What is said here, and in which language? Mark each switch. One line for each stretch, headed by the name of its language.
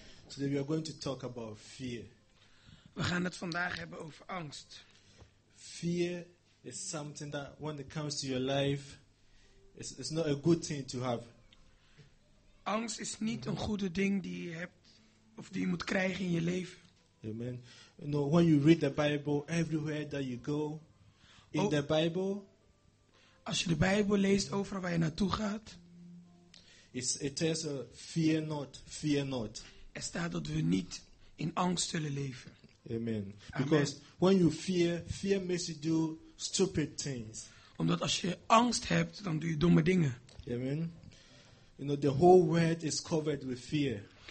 English: Today we are going to talk about fear.
Dutch: We gaan het vandaag hebben over angst.
English: Fear is something that when it comes to your life, it's not a good thing to have.
Dutch: Angst is niet een goede ding die je hebt of die je moet krijgen in je leven.
English: Amen. You know, when you read the Bible, everywhere that you go in the Bible,
Dutch: als je de Bijbel leest overal waar je naartoe gaat,
English: it says fear not, fear not.
Dutch: Er staat dat we niet in angst zullen leven.
English: Amen. Amen. Because when you fear, fear makes you do stupid things.
Dutch: Omdat als je angst hebt, dan doe je domme dingen.
English: Amen. You know, the whole world is covered with fear.